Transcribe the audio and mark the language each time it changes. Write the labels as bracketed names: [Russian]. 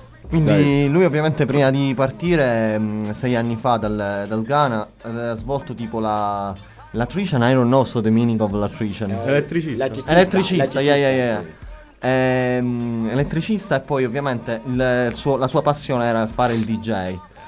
[Italian] Quindi lui ovviamente prima di partire, 6 anni fa dal Ghana, ha svolto tipo la... [English] Electrician, I don't know so the meaning of electrician. [Italian] Electricista. [English] Yeah. [Italian] Elettricista, e poi ovviamente la sua passione era fare il DJ.